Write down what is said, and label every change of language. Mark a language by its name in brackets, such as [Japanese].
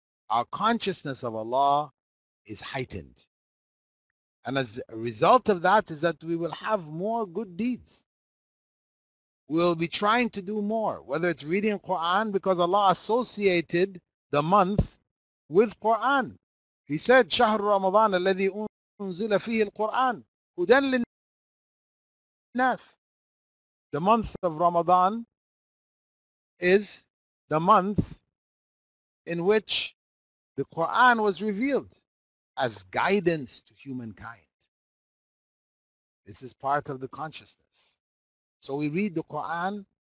[English] Our consciousness of Allah is heightened. And as a result of that is that we will have more good deeds. We'll be trying to do more, whether it's reading Quran, because Allah associated the month with Quran. He said, [Arabic] شهر رمضان الذي أنزل فيه القرآن هدى للناس. [English] The month of Ramadan is the month in which the Quran was revealed as guidance to humankind. This is part of the consciousness. So we read the Quran